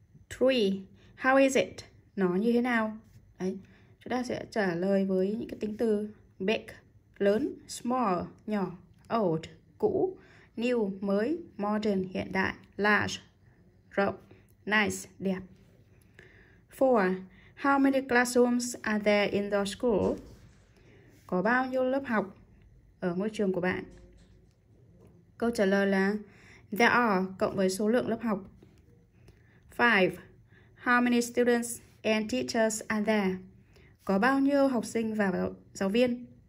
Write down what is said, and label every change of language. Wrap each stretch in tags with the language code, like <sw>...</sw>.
<vi>3.</vi> <en>How is it?</en> <vi>Nó như thế nào? Đấy, chúng ta sẽ trả lời với những cái tính từ big, lớn, small, nhỏ, old, cũ, new, mới, modern, hiện đại, large, rộng, nice, đẹp. 4.</vi> <en>How many classrooms are there in the school?</en> <vi>Có bao nhiêu lớp học ở ngôi trường của bạn? Câu trả lời là there are cộng với số lượng lớp học. 5.</vi> <en>How many students and teachers are there?</en> <vi>Có bao nhiêu học sinh và giáo viên?</vi>